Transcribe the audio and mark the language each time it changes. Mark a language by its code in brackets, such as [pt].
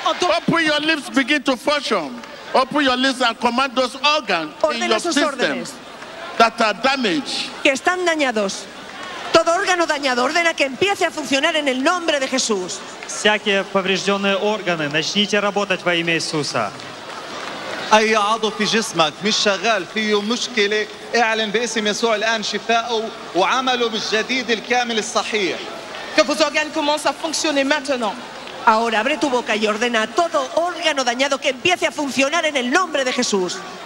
[ru] отдох. [en] Open your lips, begin to function. Open your lips and command those organs in your system that are damaged. [es] Que están dañados. Todo órgano dañado, ordena que empiece a funcionar en el nombre de Jesús. [ru] Всякие поврежденные органы, начните работать во имя Иисуса. [ar] أي عضو في جسمك مش شغال فيه مشكلة اعلن باسم يسوع الآن شفاءه وعمله بالجديد الكامل الصحيح. [fr] Que vos organes commencent à fonctionner maintenant. [es] Ahora abre tu boca y ordena a todo órgano dañado que empiece a funcionar en el nombre de Jesús.